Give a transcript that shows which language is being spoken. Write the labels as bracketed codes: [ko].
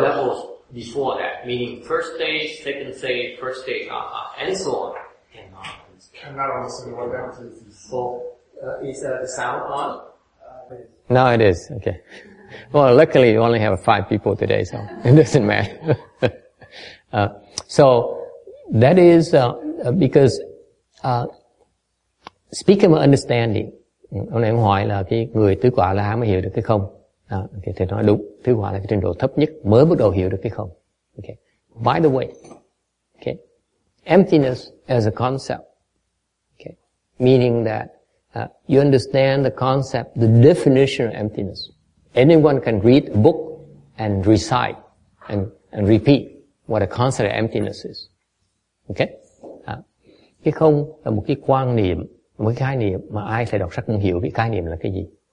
[en] levels before that, meaning first stage, second stage, first stage, and so on, cannot understand what that is. So, is the sound on? No, it is. Okay. Well, luckily, you only have 5 people today, so it doesn't matter. So, that is because speaking of understanding, [vi] ông này ông hỏi là cái người tứ quả là há mới hiểu được cái không? Okay, thì nói đúng, thứ quả là cái trình độ thấp nhất mới bắt đầu hiểu được cái không. [en] Okay. By the way, okay, emptiness as a concept, okay, meaning that you understand the concept, the definition of emptiness. Anyone can read a book and recite and repeat what a concept of emptiness is. [vi] Okay, cái không là một cái quan niệm, một cái khái niệm mà ai phải đọc sách cũng hiểu cái khái niệm là cái gì.